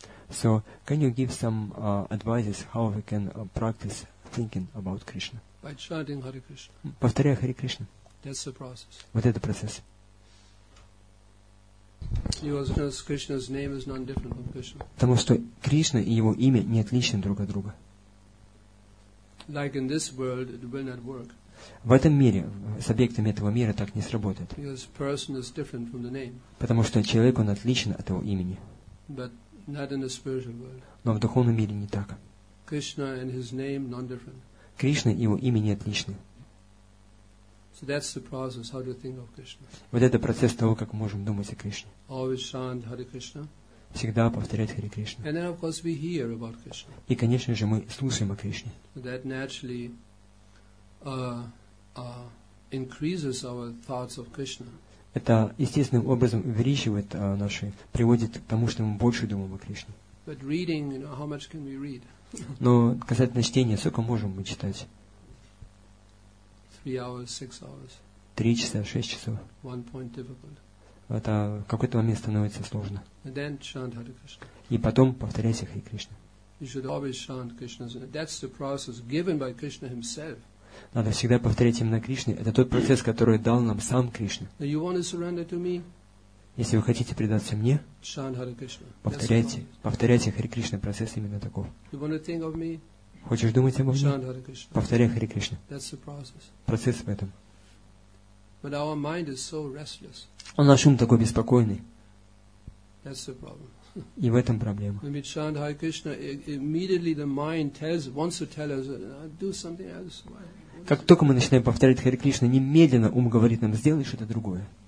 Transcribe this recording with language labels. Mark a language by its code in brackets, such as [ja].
[en] So, can you give some advices how we can practice thinking about Krishna? By chanting Hare Krishna. [ru] Повторяя Hare Krishna. [en] That's the process. [ru] Вот это процесс. [en] Because Krishna's name is non-different from Krishna. [ru] Потому что Кришна и его имя не отличны друг от друга. [en] Like in this world, it will not work. [ru] В этом мире, с объектами этого мира так не сработает. [en] Because person is different from the name. [ru] Потому что человек, он отличен от его имени. [en] But not in the spiritual world. [ru] Но в духовном мире не так. [en] Krishna and his name non-different. [ru] Кришна и его имя не отличны. [en] So that's the process, how do you think of Krishna? [ru] Вот это процесс того, как мы можем думать о Кришне. [en] Always chant Hare Krishna. [ru] Всегда повторять Hare Krishna. [en] And then, of course, we hear about Krishna. [ru] И, конечно же, мы слушаем о Кришне. [en] That naturally increases our thoughts of Krishna. [ru] Это естественным образом увеличивает наши, приводит к тому, что мы больше думаем о Кришне. [en] But reading, you know, how much can we read? [ru] Но касательно чтения, сколько можем мы читать? [en] 3 hours, 6 hours. [ru] 3 часа, 6 часов. [en] One point difficult. [ru] Это в какой-то момент становится сложно. [en] And then chant Hare Krishna. [ru] И потом повторяйся Hare Krishna. [en] You should always chant Krishna. That's the process given by Krishna himself. [ru] Надо всегда повторять имя Кришны. Это тот процесс, который дал нам сам Кришна. [en] You want to surrender to me? [ru] Если вы хотите предаться мне, повторяйте Hare Krishna, процесс именно таков. [en] You want to think of me? [ru] Хочешь думать обо мне? [en] Hare Krishna. [ru] Повторяй Hare Krishna. [en] That's the process. [ru] Процесс в этом. [en] But our mind is so restless. [ru] Он наш ум такой беспокойный. [en] That's the problem. [ru] И в этом проблема. [en] When we chant Hare Krishna, immediately the mind tells, wants to tell us, do something else. Why? [ru] Как только мы начинаем повторять Hare Krishna, немедленно ум говорит нам, сделай что-то другое.